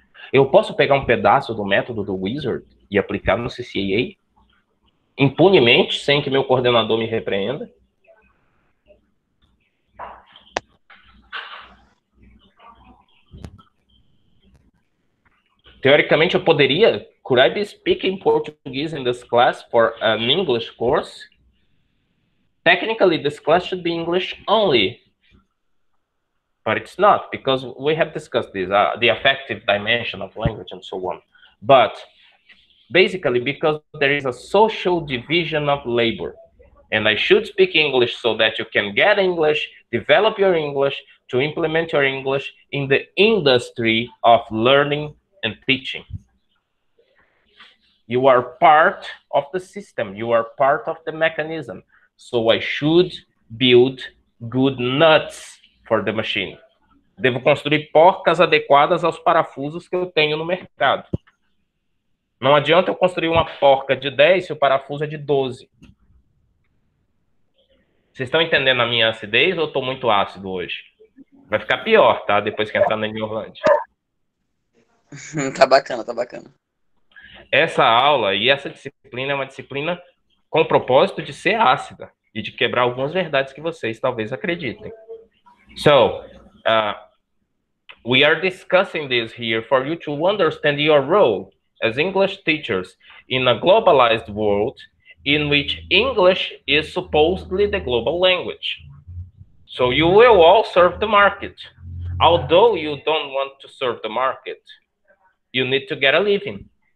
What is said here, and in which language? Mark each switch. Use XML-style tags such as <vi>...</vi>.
<pt>Eu posso pegar um pedaço do método do Wizard e aplicar no CCAA? Impunemente, sem que meu coordenador me repreenda? Teoricamente, eu poderia?</pt> <en>Could I be speaking Portuguese in this class for an English course? Technically, this class should be English only. But it's not, because we have discussed this, the affective dimension of language and so on. But basically, because there is a social division of labor, and I should speak English so that you can get English, develop your English, to implement your English in the industry of learning and teaching. You are part of the system. You are part of the mechanism. So I should build good nuts for the machine.</en> <pt>Devo construir porcas adequadas aos parafusos que eu tenho no mercado. Não adianta eu construir uma porca de 10 se o parafuso é de 12. Vocês estão entendendo a minha acidez ou estou muito ácido hoje? Vai ficar pior, tá? Depois que entrar na New Holland. Tá bacana, tá bacana. Essa aula e essa disciplina é uma disciplina com o propósito de ser ácida e de quebrar algumas verdades que vocês talvez acreditem.</pt> <en>So, we are discussing this here for you to understand your role as English teachers in a globalized world in which English is supposedly the global language. So you will all serve the market. Although you don't want to serve the market, you need to get a living.</en>